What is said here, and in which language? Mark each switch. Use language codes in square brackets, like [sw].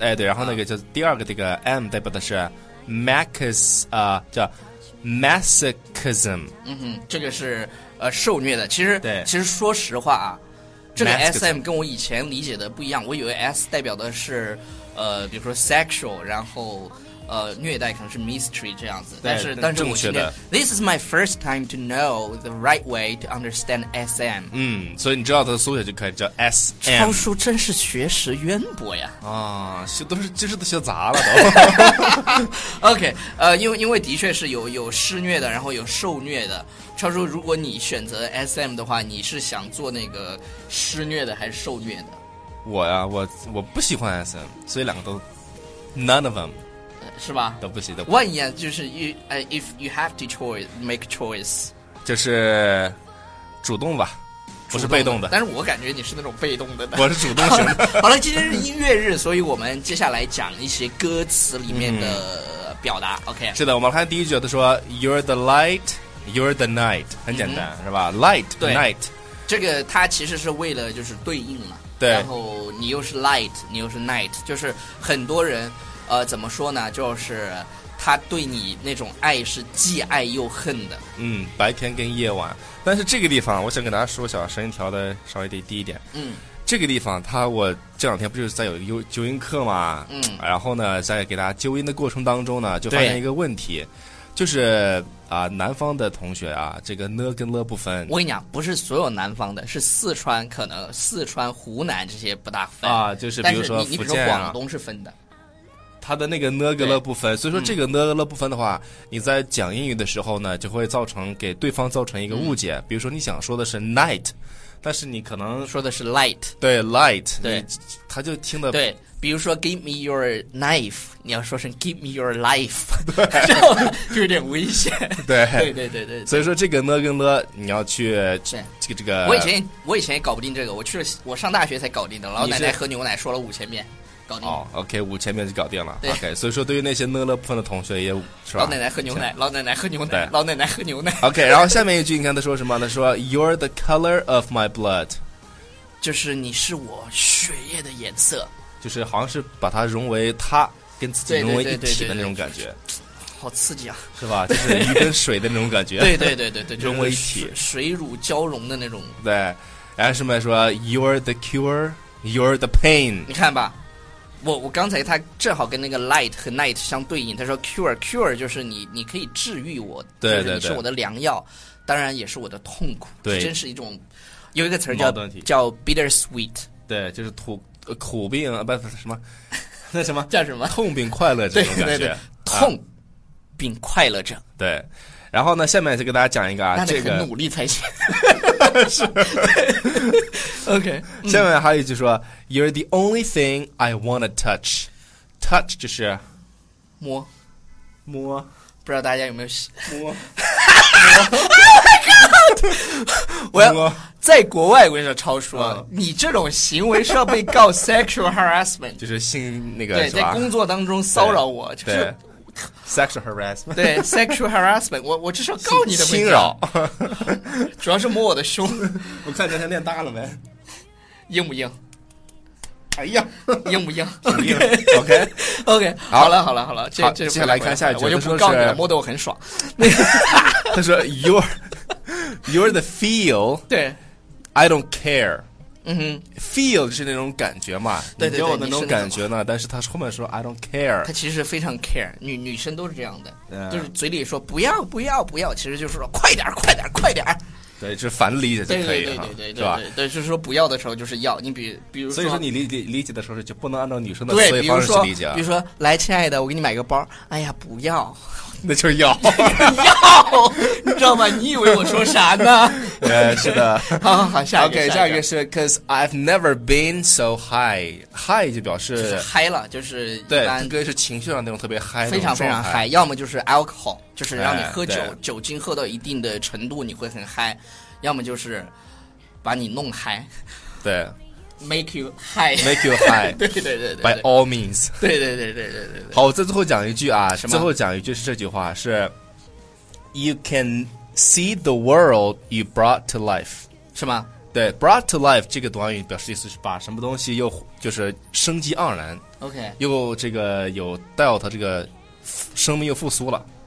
[zh] 哎，对，然后那个叫第二个这个 M 代表的是 masochism。嗯哼，这个是受虐的。其实对，其实说实话啊。这个 SM 跟我以前理解的不一样，我以为 S 代表的是比如说 sexual， 然后虐待可能是 mystery 这样子，但是正确的 [en] This is my first time to know the right way to understand SM。 [zh] 所以你知道它的缩写就可以叫 SM。超叔真是学识渊博呀，都是知识都学杂了都。 OK， 因为的确是有施虐的，然后有受虐的。超叔，如果你选择 SM 的话，你是想做那个施虐的还是受虐的？我呀、我不喜欢 SM， 所以两个都 [en] none of them， [zh] 是吧？都不行，万一就是 [en] if you have to make choice， [zh] 就是主动吧，不是被动的。但是我感觉你是那种被动的。我是主动型的。好了，今天是音乐日，所以我们接下来讲一些歌词里面的表达。 [en] OK， [zh] 是的，我们看第一句，他说 [en] "You're the light, you're the night"， [zh] 很简单，是吧 ？ [en] Light, night， [zh] 这个它其实是为了就是对应嘛。对。然后你又是 light， 你又是 night， 就是很多人。怎么说呢，就是他对你那种爱是既爱又恨的。白天跟夜晚。但是这个地方我想给大家说一下，声音调的稍微低一点。这个地方他，我这两天不就是在有一个纠音课嘛。然后呢在给大家纠音的过程当中呢，就发现一个问题，就是南方的同学啊，这个呢跟了不分。我跟你讲，不是所有南方的，是四川，可能四川湖南这些不大分啊，就是比如说福建、你比如说广东是分的，他的那个呢个了不分，所以说这个呢个了不分的话，你在讲英语的时候呢，就会造成给对方造成一个误解。比如说你想说的是 night， 但是你可能说的是 light，对 light，对，他就听得对。比如说 [en] give me your knife， [zh] 你要说成 [en] give me your life， [zh] 对，就有点危险。对，所以说这个呢跟了你要去这个。我以前也搞不定这个，我上大学才搞定的，老奶奶喝牛奶说了5000遍。 OK， 5000遍就搞定了。OK， 所以说对于那些乐乐部分的同学也是吧，老奶奶喝牛奶，老奶奶喝牛奶，老奶奶喝牛奶。 OK， 然后下面一句你看他说什么，他说 [en] You're the color of my blood， [zh] 就是你是我血液的颜色，就是好像是把它融为他跟自己融为一体的那种感觉。好刺激啊，是吧，就是鱼跟水的那种感觉。对，融为一体，水乳交融的那种。对，然后什么说 [en] You're the cure, you're the pain， [zh] 你看吧，我刚才他正好跟那个 light 和 night 相对应，他说 cure 就是你可以治愈我，对对对，就是你是我的良药，当然也是我的痛苦。对，真是一种，有一个词叫 bittersweet，对，就是苦病啊，不是什么，那什么叫什么痛并快乐这种感觉。对对对，痛并快乐着、对，然后呢下面就给大家讲一个啊，那得很努力才行、是。 [en] OK， [zh] 下面还有一句说 [en] You're the only thing I wanna touch. [zh] Touch 就是摸，摸，不知道大家有没有摸？ [en] Oh my god！ [zh] 我要在国外，我跟你说，超叔，你这种行为是要被告 sexual harassment，就是性那个，对，在工作当中骚扰我，就是。 [en] Sexual harassment， [zh] 对 ，sexual harassment， 我这是要告你的侵扰，主要是摸我的胸。我看今天练大了没？硬不硬？哎呀，硬不硬？硬。OK，好了，这接下来看下一句，我就不告你了，摸得我很爽。他说 [en] you're the feel， [zh] 对 [en] ，I don't care。嗯哼 [zh] ，feel 是那种感觉嘛，对对对，你给我的那种感觉呢？但是他后面说 [en] I don't care， [zh] 他其实非常 care， 女生都是这样的，就是嘴里说不要不要不要，其实就是说快点快点快点，对，就是反理解就可以，对，是吧？对，就是说不要的时候就是要，你比如说，所以说你理解的时候就不能按照女生的思维方式去理解，比如说来亲爱的，我给你买个包，哎呀不要。那就是要要，你知道吗？你以为我说啥呢？是的。好，下一个。 [en] OK， [zh] 下一个 [en] 是 Cause I've never been so high。 [zh] High 就表示就是嗨了，就是对，应该是情绪上那种特别嗨，非常非常嗨。要么就是 alcohol， 就是让你喝酒，酒精喝到一定的程度你会很嗨，要么就是把你弄嗨。对， [en] make you high. Make you high. [zh] 对对对对。 [en] By all means. [zh] 对对对对对对。好，我再最后讲一句啊，什么？最后讲一句是这句话，是 [en] You can see the world you brought to life. [zh] 是吗？对 ， [en] brought to life [zh] 这个短语表示意思是把什么东西又就是生机盎然 [en] ，OK， [zh] 又这个有带有它这个生命又复苏了，